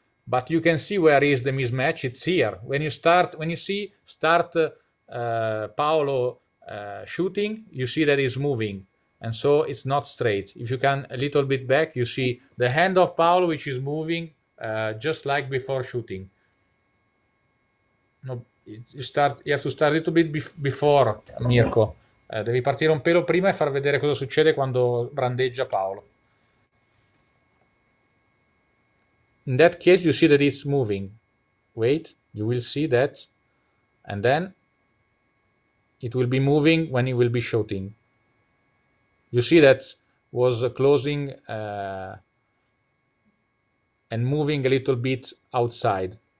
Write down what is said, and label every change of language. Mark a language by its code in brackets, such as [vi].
[en] But you can see where is the mismatch. It's here. When you see Paolo shooting, you see that he's moving. And so it's not straight. If you can a little bit back, you see the hand of Paolo, which is moving just like before shooting. No, you have to start a little bit before Mirko, [it] devi partire un pelo prima e far vedere cosa succede quando brandeggia Paolo. [en] In that case you see that it's moving. Wait, you will see that. And then it will be moving when it will be shooting. You see that was closing and moving a little bit outside.